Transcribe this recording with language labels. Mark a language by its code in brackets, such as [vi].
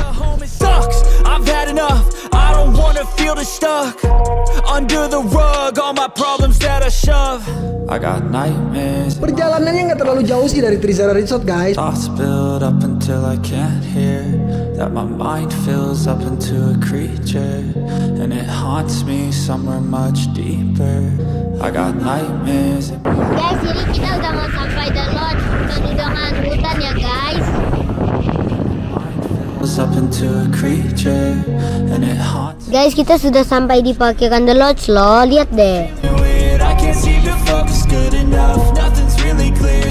[en] I've had enough, I don't wanna feel the stuck under the rug, all my problems that I shove. I got nightmares. [id] Perjalanannya gak terlalu jauh sih dari Trisara Resort guys. [en] Thoughts build up until I can't hear. That my mind fills up into a creature, and it haunts me somewhere much deeper. I got nightmares. [id] Guys, ini kita udah mau sampai The Lodge, penudungan hutan ya guys. [en] Up into a creature and it haunts. [id] Guys, kita sudah sampai di parkiran The Lodge loh, lihat deh. [en] I can't seem to focus good enough. Nothing's really clear.